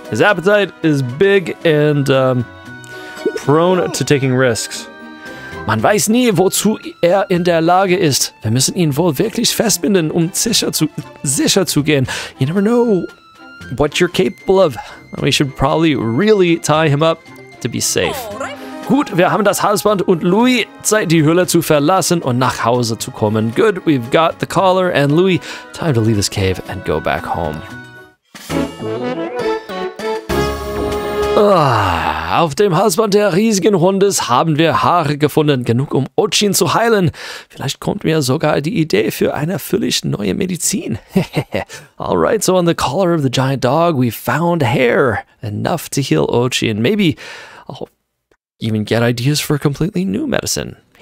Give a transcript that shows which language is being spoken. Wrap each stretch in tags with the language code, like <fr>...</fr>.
<en>His appetite is big and prone to taking risks.</en> <de>Man weiß nie, wozu er in der Lage ist. Wir müssen ihn wohl wirklich festbinden, um sicher zu gehen.</de> <en>You never know what you're capable of. We should probably really tie him up to be safe.</en> <de>Gut, wir haben das Halsband und Louis. Zeit, die Höhle zu verlassen und nach Hause zu kommen.</de> <en>Good, we've got the collar and Louis. Time to leave this cave and go back home.</en> <de>Auf dem Halsband der riesigen Hundes haben wir Haare gefunden, genug um Ochin zu heilen. Vielleicht kommt mir sogar die Idee für eine völlig neue Medizin.</de> <en>Alright, so on the collar of the giant dog, we found hair. Enough to heal Ochin. Maybe I'll even get ideas for a completely new medicine.</en>